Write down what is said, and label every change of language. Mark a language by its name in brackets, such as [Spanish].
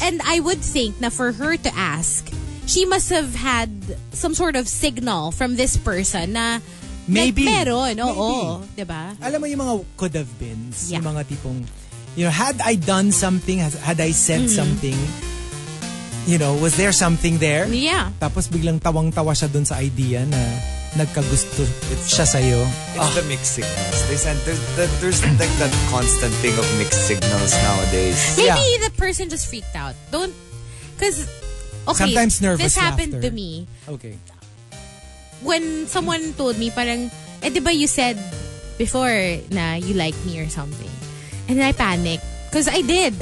[English] And I would think na for her to ask, she must have had some sort of signal from this person na maybe. [Filipino] Na meron, oo, diba? Alam mo yung mga [English] could have been, yeah. [Filipino] Yung mga tipong, [English] you know, had I done something, had I said something, you know, was there something there? Yeah. [Filipino] Tapos biglang tawang-tawa siya dun sa idea na nagkagusto siya sa'yo. [English] It's the mixed signals. They send, there's like that constant thing of mixed signals nowadays. Maybe yeah. The person just freaked out. Don't, because, okay. Sometimes nervous laughter. Happened to me. Okay. When someone told me, [Filipino] parang, eh, di ba [English] you said before na you like me or something. And then I panicked. Because I did.